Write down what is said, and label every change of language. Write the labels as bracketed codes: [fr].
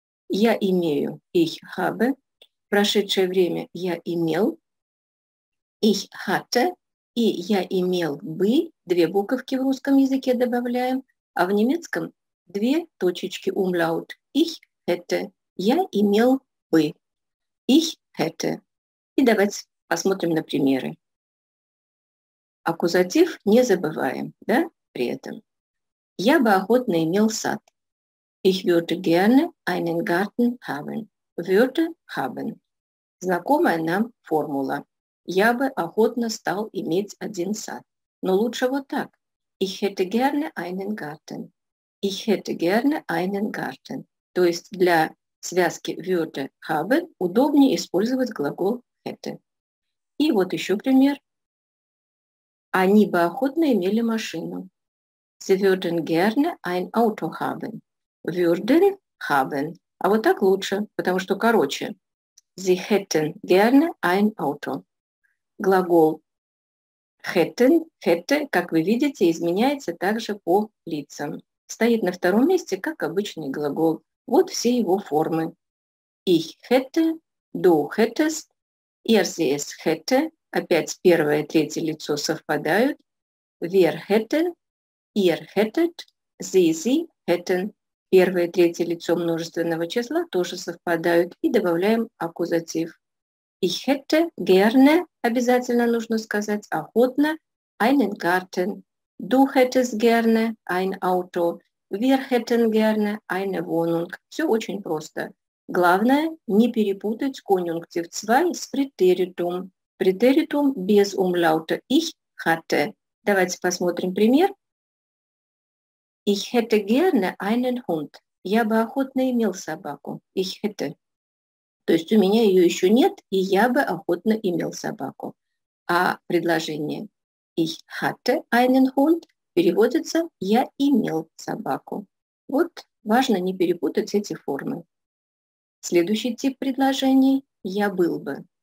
[ru] «Я имею» – [de] «ich habe», [ru] прошедшее время «я имел», [de] «ich hatte» [ru] и «я имел бы» – две буковки в русском языке добавляем, а в немецком – две точечки умляут – [de] «ich hätte» [ru] – «я имел бы», «ich hätte». И давайте посмотрим на примеры. Аккузатив не забываем, да, при этом. «Я бы охотно имел сад». [de] Ich würde gerne einen Garten haben. Würde haben. [ru] Знакомая нам формула. Я бы охотно стал иметь один сад. Но лучше вот так. [de] Ich hätte gerne einen Garten. Ich hätte gerne einen Garten. [ru] То есть для связки Würde haben удобнее использовать глагол hätte. И вот еще пример. Они бы охотно имели машину. [de] Sie würden gerne ein Auto haben. Würden haben. [ru] А вот так лучше, потому что короче. [de] Sie hätten gerne ein Auto. [ru] Глагол hätten, hätte, как вы видите, изменяется также по лицам. Стоит на втором месте, как обычный глагол. Вот все его формы. [de] Ich hätte, du hättest, er, sie, es hätte. [ru] Опять первое и третье лицо совпадают. [de] Wer hätte, ihr hättet, sie hätten. [ru] Первое и третье лицо множественного числа тоже совпадают. И добавляем аккузатив. [de] Ich hätte gerne, [ru] обязательно нужно сказать, охотно, [de] einen Garten. Du hättest gerne ein Auto. Wir hätten gerne eine Wohnung. [ru] Все очень просто. Главное, не перепутать конъюнктив 2 с претеритум. Претеритум без умлаута. [de] Ich hatte. [ru] Давайте посмотрим пример. [de] Ich hätte gerne einen Hund. [ru] Я бы охотно имел собаку. [de] Ich hätte. [ru] То есть у меня ее еще нет, и я бы охотно имел собаку. А предложение [de] Ich hatte einen Hund [ru] переводится «я имел собаку». Вот важно не перепутать эти формы. Следующий тип предложений – «я был бы».